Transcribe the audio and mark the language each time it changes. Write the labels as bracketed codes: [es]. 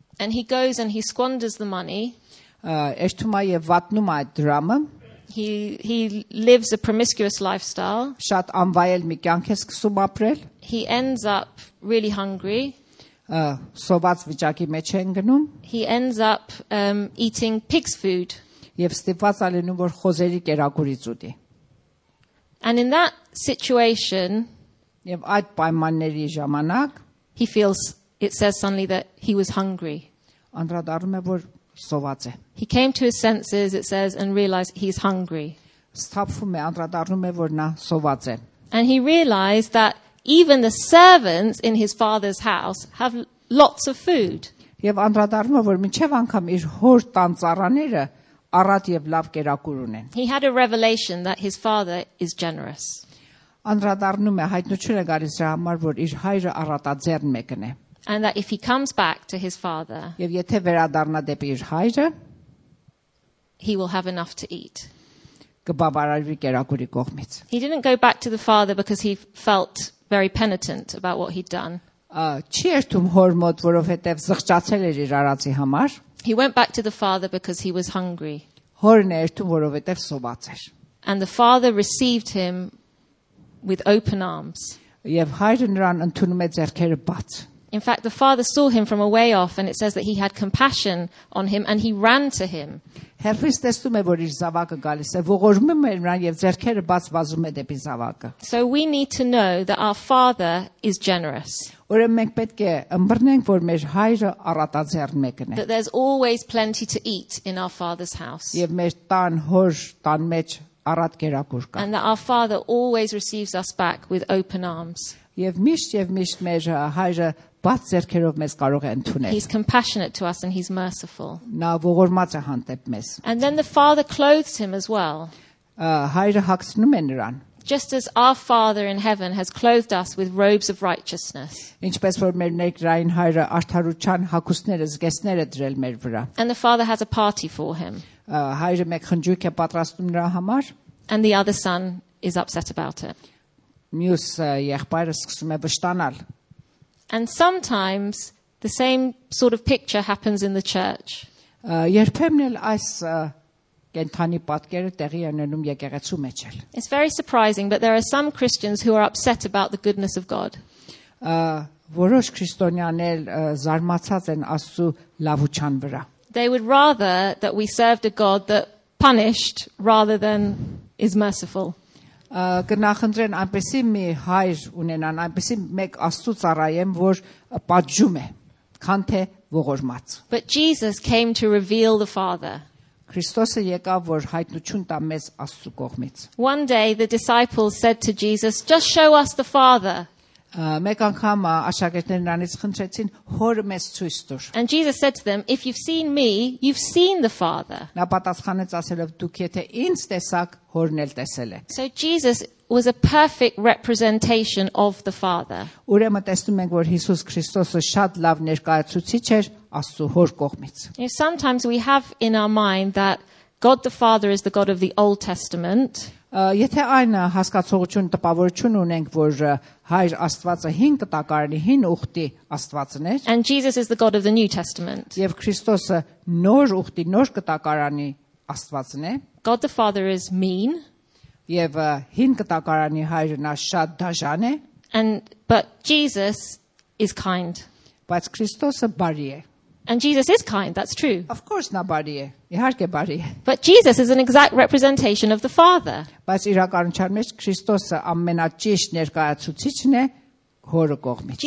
[en] And he goes and he squanders the money. [hy] Էշտումա եւ վատնում է այդ դրամը. [en] He lives a promiscuous lifestyle. [hy] Շատ անվայել մի կյանք է սկսում ապրել։ [en] He ends up really hungry. [hy] Սոված վիճակի մեջ են գնում։ [en] He ends up eating pig's food. [hy] Եվ ստիպված ալենում որ խոզերի կերակուրից ուտի։ [en] And in that situation, [hy] Եվ այդ պայմանների ժամանակ [en] he feels it says suddenly that he was hungry. [hy] Անդրադառնում է որ սոված է. [en] He came to his senses it says and realized he's hungry. [hy] Ստափվում է անդրադառնում է որ նա սոված է. [en] And he realized that even the servants in his father's house have lots of food. [hy] Եվ անդրադառնում է, որ մինչև անգամ իր հոր տան ծառաները առատ եւ լավ կերակուր ունեն. [en] He had a revelation that his father is generous. [hy] Անդրադառնում է, հայտնություն է գալիս նրա համար, որ իր հայրը առատաձեռն մեկն է. [en] And that if he comes back to his father, [hy] եւ եթե վերադառնա դեպի իր հայրը, [en] he will have enough to eat. [hy] Կբավարարվի կերակուրի կողմից. [en] He didn't go back to the father because he felt very penitent about what he'd done. [hy] Չերթում հոր մոտ, որովհետև զղջացել էր իր արածի համար։ [en] He went back to the father because he was hungry. [hy] Հորն երթում, որովհետև սոված էր։ [en] And the father received him with open arms. [hy] Եվ հայրը նրան ընդունում է ձեռքերը բաց։ [en] In fact, the father saw him from a way off and it says that he had compassion on him and he ran to him. [hy] Հերրիս տեսնում է, որ իր զավակը գալիս է, ողորմում է նրան եւ ձեռքերը բաց վազում է դեպի զավակը։ [en] So we need to know that our father is generous. [hy] Ուրեմն մենք պետք է ըմբռնենք, որ մեր հայրը առատաձեռն մեկն է։ [en] That there's always plenty to eat in our father's house. [hy] Եվ մեր տան հոր տան մեջ առատ կերակուր կա։ [en] And that our father always receives us back with open arms. [hy] Եվ միշտ մեր հայրը բաց ձեռքերով մեզ կարող է ընդունել։ [en] He's compassionate to us and he's merciful. [hy] Նա ողորմած է հանդեպ մեզ։ [en] And then the father clothes him as well. [hy] Հայրը հագցնում է նրան։ [en] Just as our Father in heaven has clothed us with robes of righteousness. [hy] Ինչպես որ մեր ներքին հայրը արդարության հագուստները, զգեստները դրել մեր վրա։ [en] And the father has a party for him. [hy] Հայրը մեկ խնջույք է պատրաստում նրա համար։ [en] And the other son is upset about it. [hy] Մյուս եղբայրը սկսում է վշտանալ։ [en] And sometimes the same sort of picture happens in the church. [hy] Երբեմն էլ այս կենթանի պատկերը տեղի ունենում եկեղեցու մեջ էլ։ [en] It's very surprising, but there are some Christians who are upset about the goodness of God. [hy] Որոշ քրիստոնյաներ զարմացած են Աստծո լավության վրա։ [en] They would rather that we served a God that punished rather than is merciful. [hy] Գնահատեն այնպեսի մի հայր ունենան, այնպեսի մեկ Աստծո ծառայեմ, որ պատժում է, քան թե ողորմած։ [en] But Jesus came to reveal the Father. [hy] Քրիստոսը եկավ, որ հայտնություն տա մեզ Աստծո կողմից։ [en] One day the disciples said to Jesus, "Just show us the Father." [hy] Մեկ անգամ աշակերտներն նրանից խնդրեցին, «Հորը մեզ ցույց տուր»։ [en] And Jesus said to them, "If you've seen me, you've seen the Father." [hy] Նա պատասխանեց ասելով, «Դուք եթե ինձ տեսաք, հորն էլ տեսել է»։ [en] So Jesus was a perfect representation of the Father. [hy] Ուրեմն տեսնում ենք, որ Հիսուս Քրիստոսը շատ լավ ներկայացուցիչ էր Աստծո հոր կողմից։ [en] And sometimes we have in our mind that God the Father is the God of the Old Testament. [hy] Եթե այն հասկացողություն տպավորություն ունենք, որ Հայր Աստվածը Հին Կտակարանի Հին Ուղտի Աստվածն է։ [en] And Jesus is the God of the New Testament. [hy] Եվ Քրիստոսը Նոր Ուղտի Նոր Կտակարանի Աստվածն է։ [en] God the Father is mean. [hy] Եվ Հին Կտակարանի Հայրը նա շատ դաժան է։ [en] But Jesus is kind. [hy] Բայց Քրիստոսը բարի է։ [en] And Jesus is kind, that's true. Of course not [hy] բարի է։ Իհարկե բարի է։ [en] But Jesus is an exact representation of the Father. [hy] Բայց իրականության մեջ Քրիստոսը ամենաճիշտ ներկայացուցիչն է Հորը կողմից։